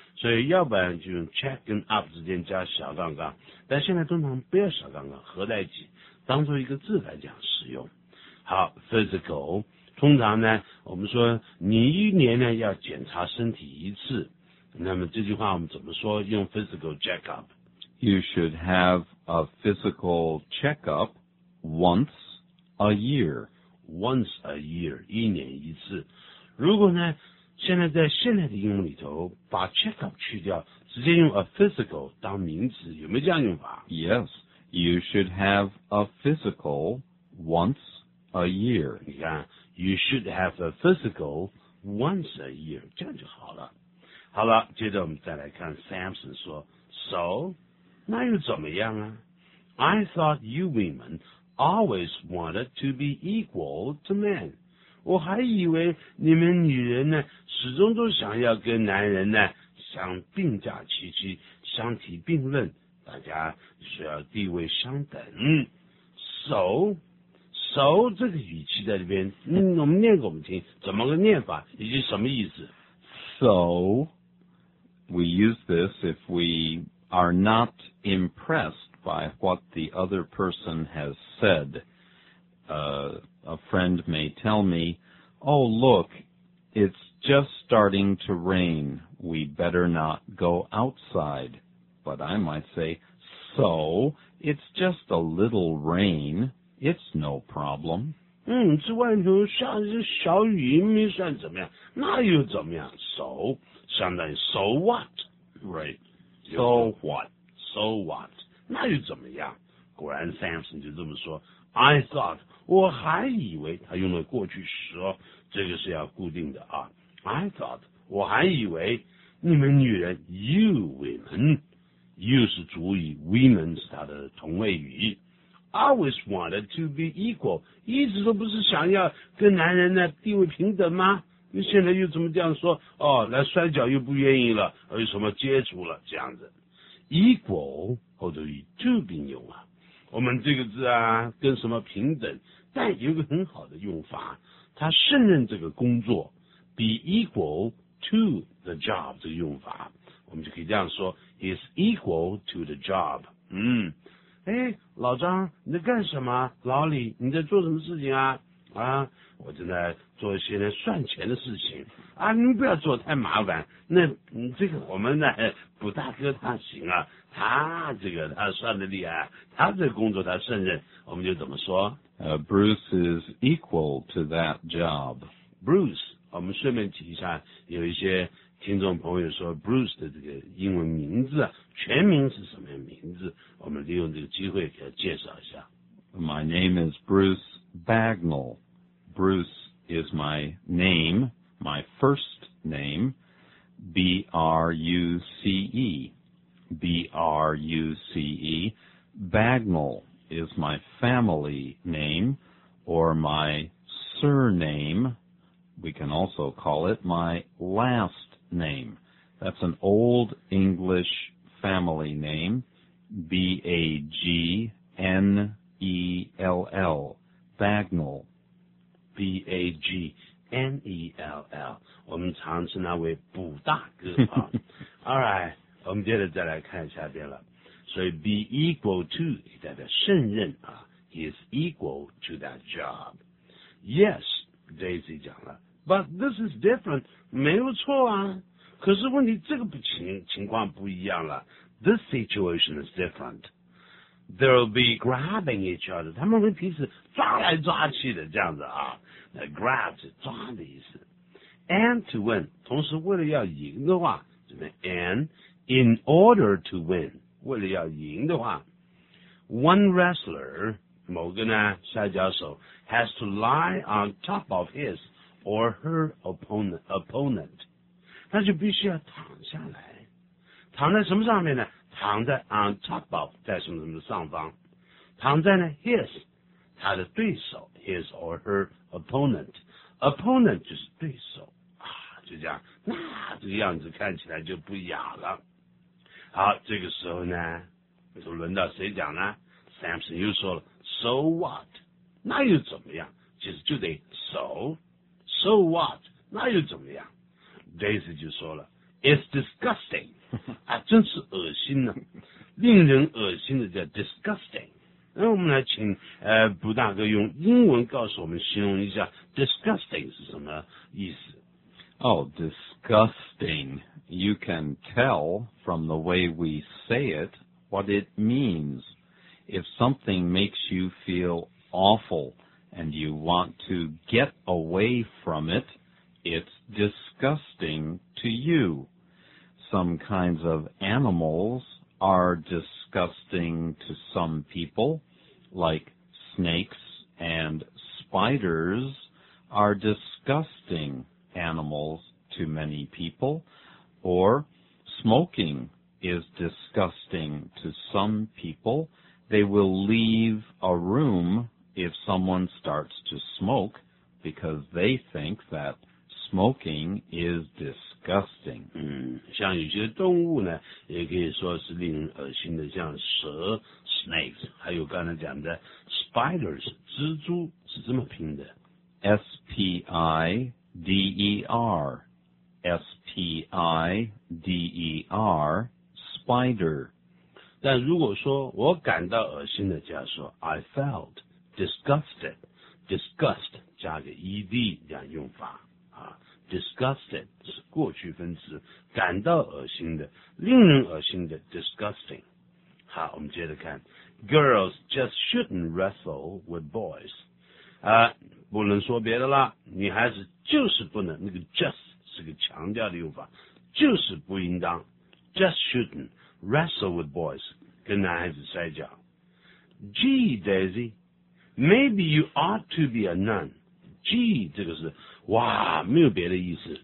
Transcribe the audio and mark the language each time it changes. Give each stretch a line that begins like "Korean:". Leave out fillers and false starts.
Chinese: 所以要不然就用 check 跟 up 之间加小杠杠，但现在通常不要小杠杠，合在一起，当作一个字来讲使用。
English: 好 ,physical.
Chinese: 通常呢我们说你一年呢要检查身体一次那么这句话我们怎么说用
English: physical checkup You should have a physical checkup once a year Once a year
Chinese: 一年一次如果呢现在在现在的英文里头把 checkup 去掉直接用 a physical 当名词有没有这样用法
English: Yes You should have a physical once a year
Chinese: 你看
English: You should have a physical once a year.
Chinese: 这样就好了。好了，接着我们再来看 Samson 说 So, 那又怎么样啊
English: I thought you women always wanted to be equal to men.
Chinese: 我还以为你们女人呢始终都想要跟男人呢相并驾齐驱，相提并论，大家需要地位相等。 So, so 这个语气在这边，我们念给我们听，怎么个念法，以及什么意思？
English: So, we use this if we are not impressed by what the other person has said. A friend may tell me, oh look, it's just starting to rain, we better not go outside. But I might say, so, it's just a little rain, it's no problem.
Chinese: 这外头下着小雨没算怎么样，那又怎么样 ？So 相当于
English: So what? Right. So what? So what?
Chinese: 那又怎么样？果然 Samson 就这么说。
English: I thought
Chinese: 我还以为他用了过去时哦，这个是要固定的啊。
English: I thought
Chinese: 我还以为你们女人
English: you women
Chinese: you 是主语 ，women 是他的同位语。
English: Always wanted to be equal.
Chinese: 一直都不是想要跟男人呢地位平等吗？你现在又怎么这样说？哦，来摔跤又不愿意了，还有什么接触了这样子 ？Equal 后头以 to 并用啊。我们这个字啊，跟什么平等？但有个很好的用法，他胜任这个工作 ，
English: be equal to the job
Chinese: 这个用法，我们就可以这样说 ：
English: He's equal to the job.
Chinese: 哎，老张，你在干什么？老李，你在做什么事情啊？啊，我正在做一些算钱的事情。啊，你不要做太麻烦。那，这个我们呢，卜大哥他行啊，他这个他算得厉害，他这个工作他胜任，我们就怎么说
English: ？Bruce is equal to that job.
Chinese: Bruce， 我们顺便提一下，有一些听众朋友说 Bruce 的这个英文名字全名是什么名字，我们利用这个机会给他介绍一下。
English: My name is Bruce Bagnall. Bruce is my name, my first name, B-R-U-C-E. B-R-U-C-E. Bagnall is my family name or my surname. We can also call it my last name. That's an old English family name, B-A-G-N-E-L-L, Bagnall, B-A-G-N-E-L-L.
Chinese: 我们常称那位卜大哥啊。
English: All right,
Chinese: 我们接着再来看下边了。所以
English: be equal to
Chinese: 也代表胜任啊。
English: He is equal to that job. Yes, Daisy
Chinese: 讲了。
English: But this is different.
Chinese: 没有错啊。可是问题这个情况不一样了。
English: This situation is different. They'll be grabbing each other.
Chinese: 他们会彼此抓来抓去的这样子啊。那 grab 是抓的意思。
English: And to win,
Chinese: 同时为了要赢的话，怎么
English: ？And in order to win,
Chinese: 为了要赢的话
English: ，one wrestler
Chinese: 某个呢摔跤手
English: has to lie on top of his or her opponent.
Chinese: 他就必须要躺下来。躺在什么上面呢？躺在
English: on top of
Chinese: 在什么什么的上方，躺在呢 his 他的对手
English: his or her opponent
Chinese: opponent 就是对手啊，就这样，那这个样子看起来就不雅了。好，这个时候呢，就轮到谁讲呢 ？Samson 又说了 ，
English: So what？
Chinese: 那又怎么样？其实就得
English: so what？
Chinese: 那又怎么样 ？Daisy 就说了 ，
English: It's disgusting。
Chinese: 啊，真是恶心呢、啊，令人恶心的叫 disgusting。那我们来请卜大哥用英文告诉我们形容一下 disgusting 是什么意思。
English: Oh, disgusting. You can tell from the way we say it what it means. If something makes you feel awful and you want to get away from it, it's disgusting to you. Some kinds of animals are disgusting to some people, like snakes and spiders are disgusting animals to many people, Or smoking is disgusting to some people. They will leave a room if someone starts to smoke because they think that smoking is disgusting.
Chinese: 像有些动物呢也可以说是令人恶心的，像蛇 snakes, 还有刚才讲的 spiders, 蜘蛛是这么拼的。 S-P-I-D-E-R, S-P-I-D-E-R, spider. 但如果说我感到恶心的，假如说
English: I felt disgusted,
Chinese: disgust 加个 ed 这样用法啊， disgusted 是过去分词，感到恶心的，令人恶心的 disgusting。好，我们接着看 ，
English: girls just shouldn't wrestle with boys。
Chinese: 啊，不能说别的啦，女孩子就是不能，那个 just 是个强调的用法，就是不应当 ，
English: just shouldn't。 Wrestle with boys,
Chinese: 跟男孩子摔跤。
English: Gee, Daisy, maybe you ought to be a nun.
Chinese: Gee, 这个是哇，没有别的意思。